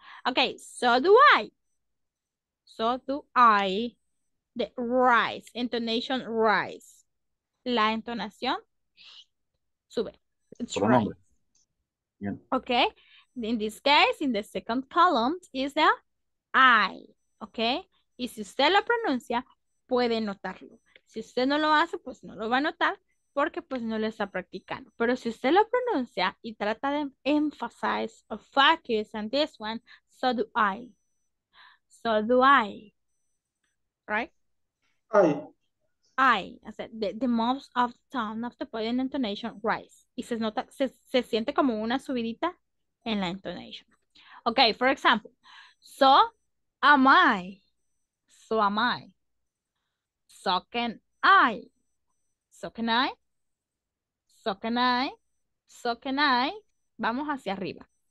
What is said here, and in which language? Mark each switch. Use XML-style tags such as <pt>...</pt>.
<en>Okay, so do I. So do I. The rise, intonation rise.</en> <es>La entonación sube.</es> <en>It's right. Okay, in this case, in the second column is the I.</en> <es>Okay, y si usted lo pronuncia, puede notarlo. Si usted no lo hace, pues no lo va a notar porque pues no lo está practicando. Pero si usted lo pronuncia y trata de</es> <en>emphasize or focus on this one, so do I. So do I. Right? I said the most of the tone of the body and intonation rise.</en> <es>Y se nota, se siente como una subidita en la intonation.</es> <en>Okay, for example. So am I. So am I. So can I, so can I, so can I, so can I,</en> <es>vamos hacia arriba.</es>